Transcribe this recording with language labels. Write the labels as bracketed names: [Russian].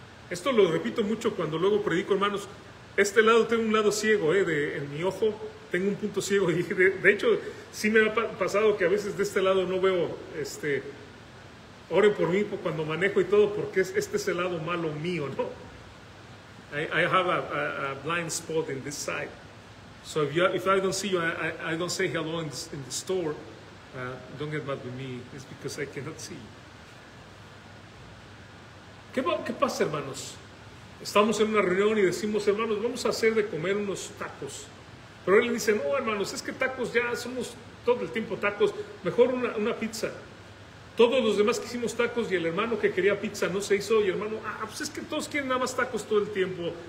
[Spanish] Esto lo repito mucho cuando luego predico, hermanos. Este lado tengo un lado ciego, en mi ojo tengo un punto ciego. Y de hecho, sí me ha pasado que a veces de este lado no veo, oren por mí cuando manejo y todo, porque este es el lado malo mío, ¿no? [English] I have a blind spot in this side. So if I don't see you, I don't say hello in the store. Don't get mad with me, it's because I cannot see you. [Spanish] ¿Qué pasa, hermanos? Estamos en una reunión y decimos, hermanos, vamos a hacer de comer unos tacos. Pero él le dice, no, hermanos, es que tacos ya somos todo el tiempo tacos, mejor una pizza. Todos los demás quisimos tacos y el hermano que quería pizza no se hizo. Y hermano, pues es que todos quieren nada más tacos todo el tiempo.